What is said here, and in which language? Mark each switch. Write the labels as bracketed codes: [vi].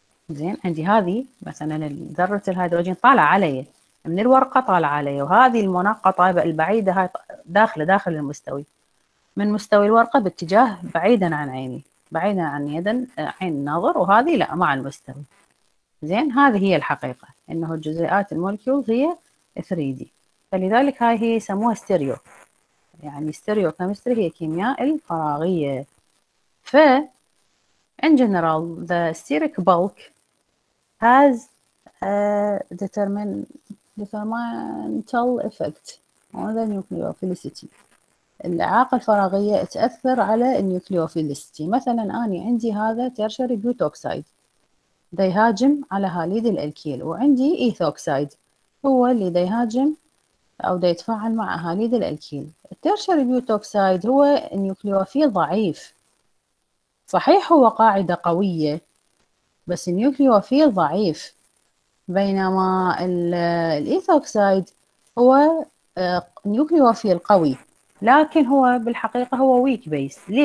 [ar] زين عندي هذه مثلا ذرة الهيدروجين طالعة علي من الورقة طالعة علي، وهذه المنقطة البعيدة هاي داخل المستوي من مستوي الورقة باتجاه بعيدا عن عيني، بعيدا عن يدن عين الناظر، وهذه لا مع المستوي. زين هذه هي الحقيقة، انه الجزيئات المولكيول هي 3D. فلذلك هاي هي يسموها ستيريو، يعني ستيريو كيمستري هي كيمياء الفراغية. [en] ف In general, the steric bulk has a detrimental effect on the nucleophilicity. [ar] الإعاقة الفراغية تأثر على النيوكليوفيليسيتي. مثلاً أنا عندي هذا tertiary بيوتوكسايد بيهاجم على هاليد الألكيل، وعندي إيثوكسايد هو اللي بيهاجم أو بيتفاعل مع هاليد الألكيل. tertiary بيوتوكسايد هو نيوكليوفيل ضعيف، صحيح هو قاعدة قوية بس النيوكليوفيل ضعيف، بينما الإيثوكسايد هو نيوكليوفيل قوي لكن هو بالحقيقة هو ويك بيس.